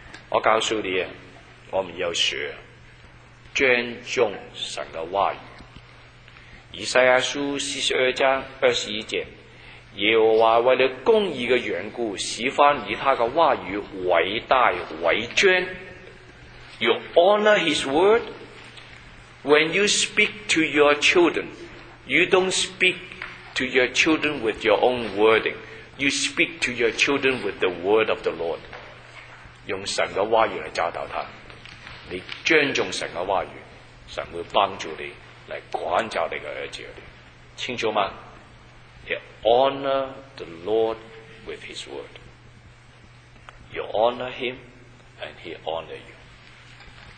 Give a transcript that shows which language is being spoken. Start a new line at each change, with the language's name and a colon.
Chinese: 我告诉你，我们要学尊重神的话语。以赛亚书42:21，耶和华为了公义的缘故，喜欢以他的话语为大为尊。
English: You honor his word. When you speak to your children, you don't speak to your children with your own wording. You speak to your children with the word of the Lord.
Chinese: 用神的话语来教导他，你尊重神的话语，神会帮助你来管教你的儿子儿女，清楚吗？
English: You honor the Lord with his word. You honor him and he honor you.